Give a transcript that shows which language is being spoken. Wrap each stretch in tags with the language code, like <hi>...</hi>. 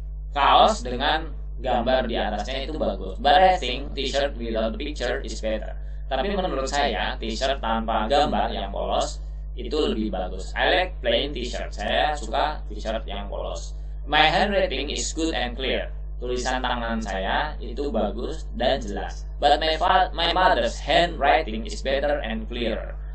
<id>Kaos dengan gambar di atasnya itu bagus.</id> <en>But I think t-shirt without a picture is better.</en> <id>Tapi menurut saya, t-shirt tanpa gambar yang polos itu lebih bagus.</id> <en>I like plain t-shirt.</en> <id>Saya suka t-shirt yang polos.</id> <en>My handwriting is good and clear.</en> <id>Tulisan tangan saya itu bagus dan jelas.</id> <en>But my mother's handwriting is better and clearer.</en>